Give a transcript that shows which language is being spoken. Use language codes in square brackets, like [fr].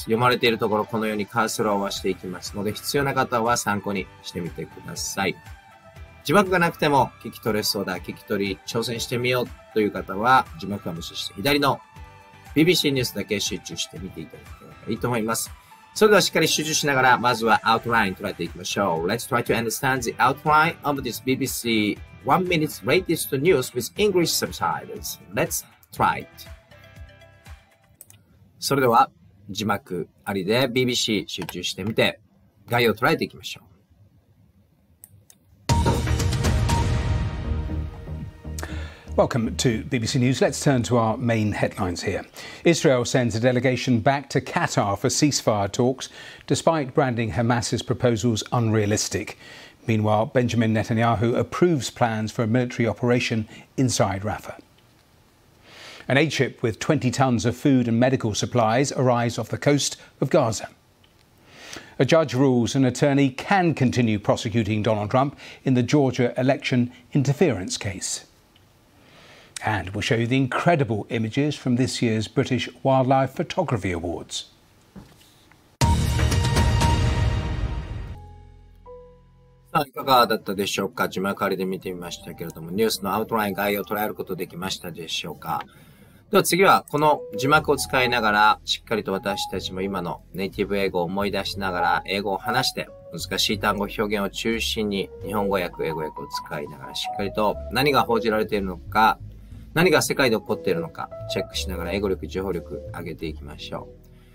[ja] 読まれているところ、このようにカーソルを合わせていきますので、必要な方は参考にしてみてください。字幕がなくても聞き取れそうだ、聞き取り挑戦してみようという方は、字幕は無視して左の BBC ニュースだけ集中して見ていただければいいと思います。それではしっかり集中しながら、まずはアウトラインを捉えていきましょう。 [en] Let's try to understand the outline of this BBC 1 minute latest news with English subtitles. Let's try it. [ja] それでは字幕ありで BBC 集中してみて概要を捉えていきましょう。 [en] Welcome to BBC News. Let's turn to our main headlines here. Israel sends a delegation back to Qatar for ceasefire talks, despite branding Hamas's proposals unrealistic. Meanwhile, Benjamin Netanyahu approves plans for a military operation inside Rafah. An aid ship with 20 tons of food and medical supplies arrives off the coast of Gaza. A judge rules an attorney can continue prosecuting Donald Trump in the Georgia election interference case. And we'll show you the incredible images from this year's British Wildlife Photography Awards. [ja] さあ、いかがだったでしょうか？字幕ありで見てみましたけれども、ニュースのアウトライン、概要を捉えることできましたでしょうか？では次は、この字幕を使いながら、しっかりと私たちも今のネイティブ英語を思い出しながら、英語を話して、難しい単語表現を中心に、日本語訳、英語訳を使いながら、しっかりと何が報じられているのか、何が世界で起こっているのかチェックしながら、英語力、情報力上げていきましょう。